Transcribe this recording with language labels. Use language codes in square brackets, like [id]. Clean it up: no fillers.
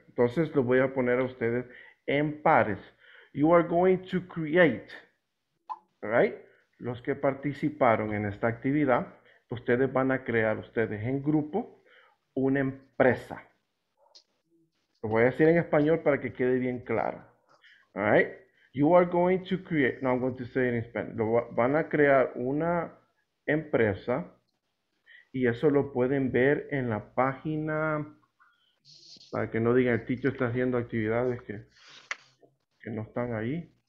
[es] Entonces, lo voy a poner a ustedes en pares. [en] You are going to create, right? [es] Los que participaron en esta actividad, ustedes van a crear ustedes en grupo una empresa. Lo voy a decir en español para que quede bien claro. [en] All right? You are going to create, no, I'm going to say it in Spanish. [es] Van a crear una empresa y eso lo pueden ver en la página, para que no digan el teacher está haciendo actividades que no están ahí.